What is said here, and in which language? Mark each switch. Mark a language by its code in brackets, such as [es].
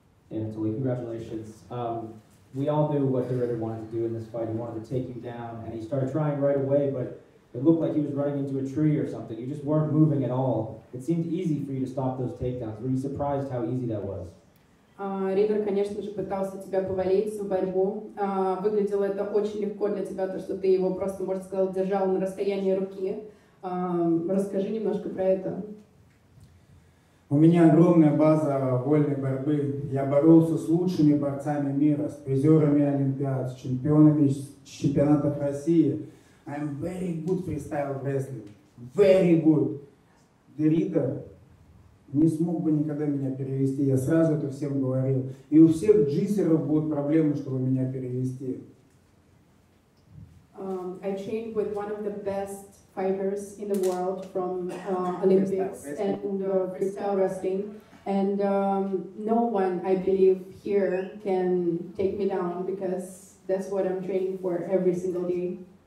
[en] Anatoliy, congratulations. We all knew what De Ridder wanted to do in this fight. He wanted to take you down, and he started trying right away, but it looked like he was running into a tree or something. You just weren't moving at all. It seemed easy for you to stop those takedowns. Were you surprised how easy that was? [ru] Риддер, конечно же, пытался тебя повалить в борьбу. Выглядело это очень легко для тебя, то, что ты его просто, можно сказать, держал на расстоянии руки. Расскажи немножко про это. У меня огромная база вольной борьбы. Я боролся с лучшими борцами мира, с призерами Олимпиад, с чемпионами чемпионатов России. [en] I'm very good freestyle wrestling. Very good. [ru] De Ridder не смог бы никогда меня перевести. Я сразу это всем говорил. И у всех джисеров будут проблемы, чтобы меня перевести. [en] I trained with one of the best fighters in the world from Olympics freestyle wrestling, and no one, I believe, here can take me down because that's what I'm training for every single day.